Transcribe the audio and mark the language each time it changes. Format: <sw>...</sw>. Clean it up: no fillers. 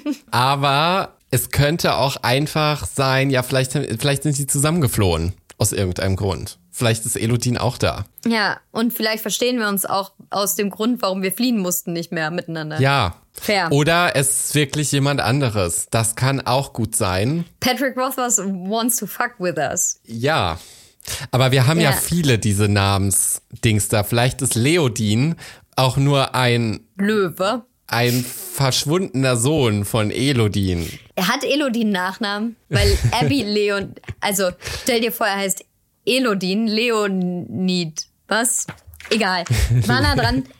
<de>Aber es könnte auch einfach sein, ja, vielleicht sind sie zusammengeflohen aus irgendeinem Grund. Vielleicht ist Elodin auch da. Ja, und vielleicht verstehen wir uns auch aus dem Grund, warum wir fliehen mussten, nicht mehr miteinander. Ja. Fair. Oder es ist wirklich jemand anderes. Das kann auch gut sein.</de> <en>Patrick Rothfuss wants to fuck with us.</en> <de>Ja. Aber wir haben ja viele diese Namensdings da. Vielleicht ist Leodin auch nur ein Löwe. Ein verschwundener Sohn von Elodin. Er hat Elodin Nachnamen, weil Abby Leon. Also stell dir vor, er heißt Elodin Leonid. Was? Egal. War nah dran.</de>